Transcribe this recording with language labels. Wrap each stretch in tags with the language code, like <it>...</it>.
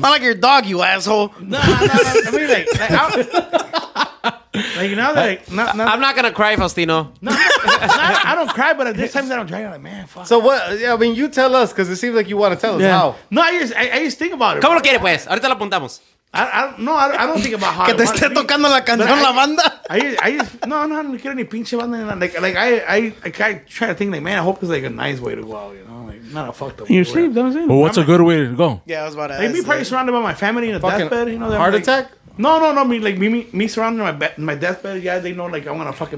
<en>Not like your dog, you asshole. Nah. I mean, like I'm, like now that I'm not gonna cry, Faustino. No, I don't cry, but at this time that I'm driving, I'm like, man, fuck. So what? Yeah, I mean, you tell us because it seems like you want to tell us how. No, I just think about it.</en> <es>¿Cómo lo quiere, pues? Ahorita lo apuntamos.</es> <en>I don't think about how.</en> <es>Que te esté tocando la canción la banda.</es> <en>I just no, I don't care any</en> <es>pinche banda.</es> <en>Like I try to think like, man, I hope it's like a nice way to go out. You know, like not a fucked up. You sleep, don't you? Well, what's a good way to go? Yeah, I was about to. Like, me probably surrounded by my family in a deathbed. You know, heart attack. No, me surrounding my deathbed, yeah, they know, like, I'm gonna fucking</en>